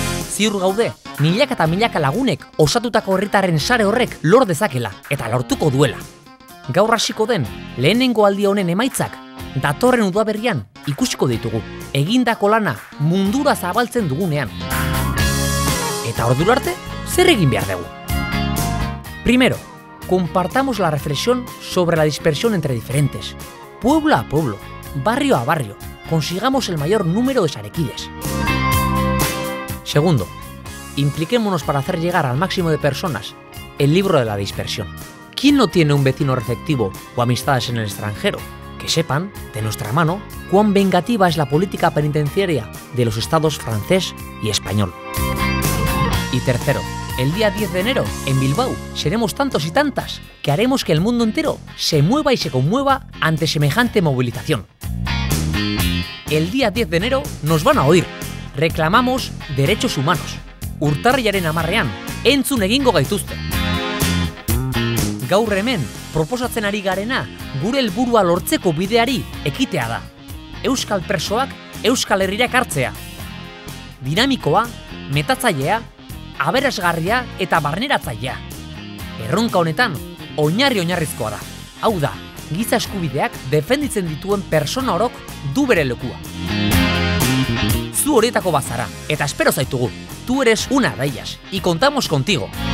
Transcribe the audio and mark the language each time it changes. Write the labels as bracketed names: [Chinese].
[Basque] Ziur gaude, milaka eta milaka lagunek osatutako herritarren sare horrek lor dezakela eta lortuko duela. Gaur hasiko den lehenengo aldi honen emaitzak datorren udaberrian ikusiko ditugu. Egindako lana mundura zabaltzen dugunean. Eta ordura arte, zer egin behar dugu? [Spanish] Primero, compartamos la reflexión sobre la dispersión entre diferentes. Pueblo a pueblo, barrio a barrio, consigamos el mayor número de sarekides. Segundo, impliquémonos para hacer llegar al máximo de personas el libro de la dispersión. ¿Quién no tiene un vecino receptivo o amistades en el extranjero? Que sepan, de nuestra mano, cuán vengativa es la política penitenciaria de los estados francés y español. Y tercero, el día 10 de enero, en Bilbao, seremos tantos y tantas que haremos que el mundo entero se mueva y se conmueva ante semejante movilización. El día 10 de enero nos van a oír. Reclamamos derechos humanos. [Basque] Urtarrilaren 10ean, entzun egingo gaituzte. Gaur hemen, proposatzen ari garena, gure helburua lortzeko bideari ekitea da. Euskal presoak Euskal Herrira ekartzea. Dinamikoa, metatzailea, aberasgarria eta barneratzailea. Erronka honetan, oinarri-oinarrizkoa da. Hau da, giza eskubideak defenditzen dituen persona orok du bere lekua. Zu horietako bazara, eta espero zaitugu. [Spanish] Tu eres una de ellas, y contamos contigo.